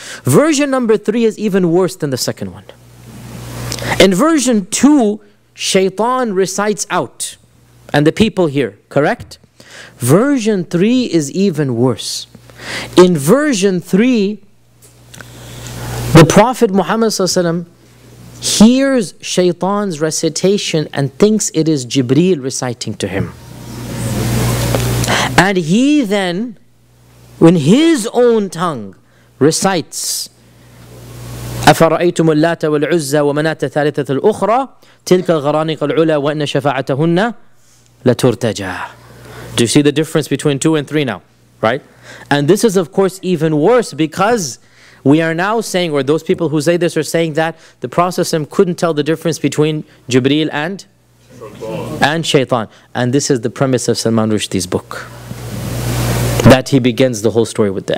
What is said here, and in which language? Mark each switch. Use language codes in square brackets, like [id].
[en] Version number three is even worse than the second one. In version two, Shaytan recites out, and the people hear, correct? Version three is even worse. In version three, the Prophet Muhammad hears Shaytan's recitation and thinks it is Jibreel reciting to him. And he then, in his own tongue, recites [ar] أَفَرَأَيْتُمُ اللَّاتَ وَالْعُزَّى وَمَنَاتَ ثَالِثَةَ الْأُخْرَى تِلْكَ غَرَانِقَ الْعُلَى وَأَنَّ شَفَاعَتَهُنَّ لَتُرْتَجَى. [en] Do you see the difference between two and three now? Right? And this is of course even worse, because we are now saying, or those people who say this are saying, that the Prophet ﷺ couldn't tell the difference between Jibreel and Shaytan. And this is the premise of Salman Rushdie's book, that he begins the whole story with that.